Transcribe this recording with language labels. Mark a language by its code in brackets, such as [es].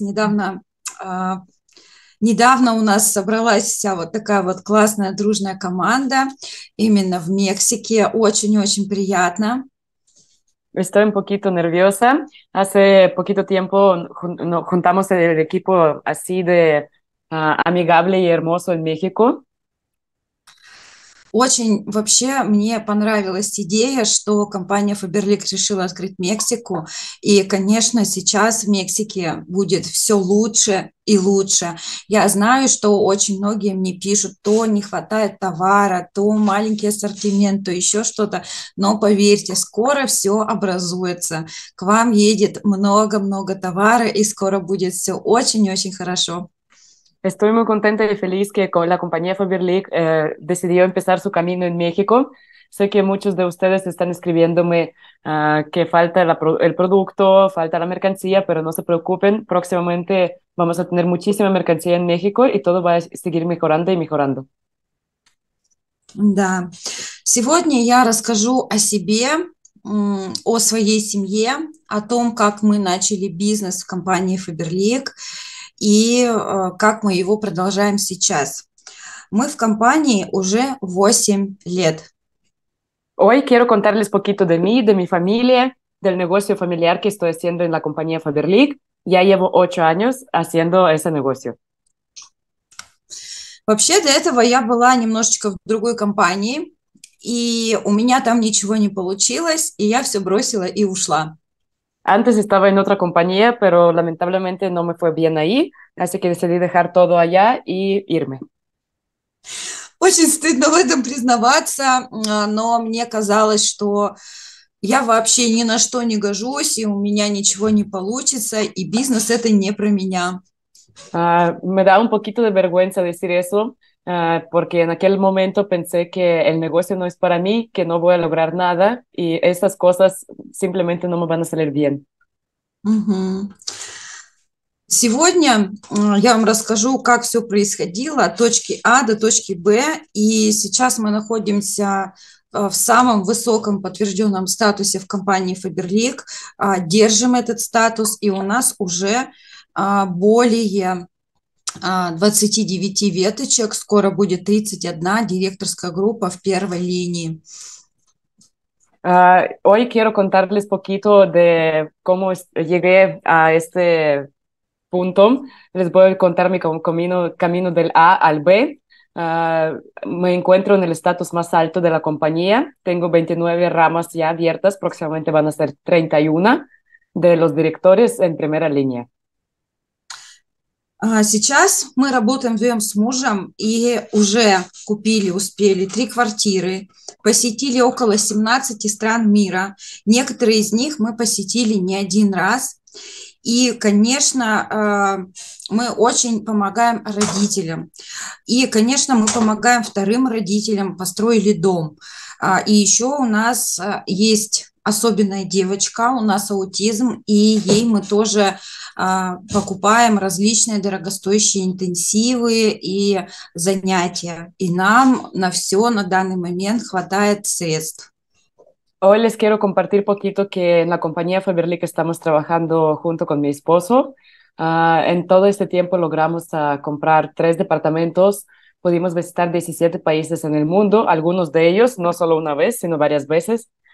[ru] Недавно у нас собралась вся вот такая вот классная дружная команда именно в Мексике. Очень-очень приятно. [es] Estoy un poquito nerviosa. Hace poquito tiempo juntamos el equipo así de amigable y hermoso en México. [ru] Очень вообще мне понравилась идея, что компания Faberlic решила открыть Мексику. И, конечно, сейчас в Мексике будет все лучше и лучше. Я знаю, что очень многие мне пишут, то не хватает товара, то маленький ассортимент, то еще что-то. Но поверьте, скоро все образуется. К вам едет много-много товара, и скоро будет все очень-очень хорошо. [es] Estoy muy contenta y feliz que la compañía Faberlic decidió empezar su camino en México. Sé que muchos de ustedes están escribiéndome que falta el producto, falta la mercancía, pero no se preocupen, próximamente vamos a tener muchísima mercancía en México y todo va a seguir mejorando y mejorando. [ru] Да. Сегодня я расскажу о себе, о своей семье, о том, как мы начали бизнес в компании Faberlic и как мы его продолжаем сейчас. Мы в компании уже 8 лет. [es] Hoy quiero contarles poquito de mí, de mi familia, del negocio familiar que estoy haciendo en la compañía Faberlic. Ya llevo 8 años haciendo ese negocio. [ru] Вообще, до этого я была немножечко в другой компании, и у меня там ничего не получилось, и я все бросила и ушла. [es] Antes estaba en otra compañía, pero lamentablemente no me fue bien ahí, así que decidí dejar todo allá y irme. [ru] Очень стыдно в этом признаваться, но мне казалось, что я вообще ни на что не гожусь, и у меня ничего не получится, и бизнес это не про меня. [es] Me da un poquito de vergüenza decir eso, porque en aquel momento pensé que el negocio no es para mí, que no voy a lograr nada y esas cosas simplemente no me van a salir bien. [ru] Сегодня я вам расскажу, как все происходило от точки А до точки Б. И сейчас мы находимся в самом высоком подтвержденном статусе в компании Faberlic. Держим этот статус, и у нас уже более 29 веточек. Скоро будет 31 директорская группа в первой линии. [es] Hoy quiero contarles poquito de cómo llegué a este punto. Les voy a contar mi camino del A al B. Me encuentro en el estatus más alto de la compañía. Tengo 29 ramas ya abiertas. Próximamente van a ser 31 de los directores en primera línea. [ru] Сейчас мы работаем вдвоем с мужем и уже купили, успели 3 квартиры, посетили около 17 стран мира. Некоторые из них мы посетили не один раз. И, конечно, мы очень помогаем родителям. И, конечно, мы помогаем вторым родителям, построили дом. И еще у нас есть особенная девочка, у нас аутизм, и ей мы тоже покупаем различные дорогостоящие интенсивы и занятия. И нам на все на данный момент хватает средств. [es] Hoy les quiero compartir poquito que en la compañía Faberlic estamos trabajando junto con mi esposo. En todo este tiempo logramos comprar 3 departamentos. Pudimos visitar 17 países en el mundo, algunos de ellos, no solo una vez, sino varias veces.